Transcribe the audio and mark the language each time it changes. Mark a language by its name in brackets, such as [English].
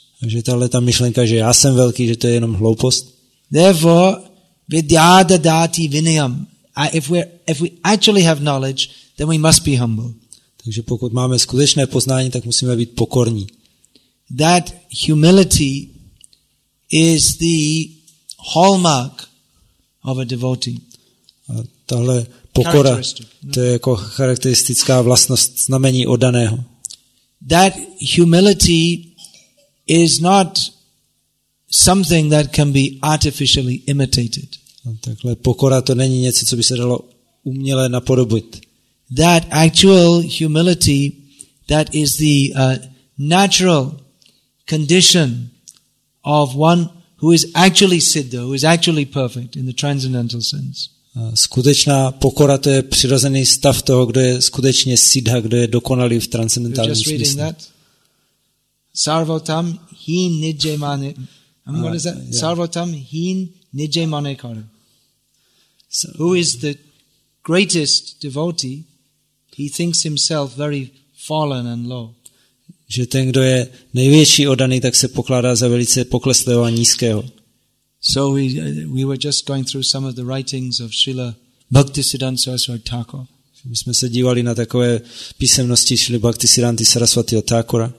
[Czech] Takže tahle ta myšlenka, že já jsem velký, že to je jenom hloupost. [Sanskrit] Therefore, vidyada dati vinayam. [English] If we actually have knowledge, then we must be humble. [Czech] Takže pokud máme skutečné poznání, tak musíme být pokorní. [English] That humility is the hallmark of a devotee. [Czech] A tahle pokora, to je jako charakteristická vlastnost znamení oddaného. [English] That humility is not something that can be artificially imitated. [Czech] A takhle pokora to není něco, co by se dalo uměle napodobit. [English] That actual humility, that is the natural condition of one who is actually siddha, who is actually perfect in the transcendental sense. [Czech] Skutečná pokora, to je přirozený stav toho, kdo je skutečně siddha, kdo je dokonalý v transcendentálním smyslu. [English] Just reading that. [Bangla] Sarvotam hin nijje mane. [English] What is that? Yeah. [Bangla] Sarvotam hin nijje mane kare. [English] Who is the greatest devotee? He thinks himself very fallen and low. [Czech] Že ten, kdo je největší oddaný, tak se pokládá za velice pokleslého a nízkého. [English] So we were just going through some of the writings of Srila Bhaktisiddhanta Saraswati Thakur. [Czech] My jsme se dívali na takové písemnosti Srila Bhaktisiddhanta Saraswati Thakura.